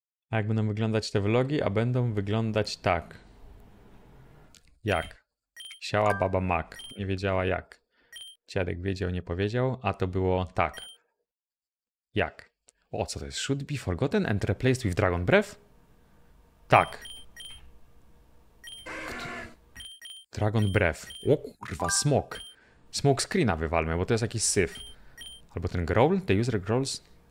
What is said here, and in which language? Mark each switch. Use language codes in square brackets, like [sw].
[pl] A jak będą wyglądać te vlogi? A będą wyglądać tak. Jak? Siała baba Mac. Nie wiedziała jak. Dziadek wiedział, nie powiedział, a to było tak. Jak? O, co to jest? [en] Should be forgotten and replaced with Dragon Breath? [pl] Tak. Dragon Breath. O kurwa, smok. Smoke screena wywalmy, bo to jest jakiś syf. Albo ten growl, [en] the user growls.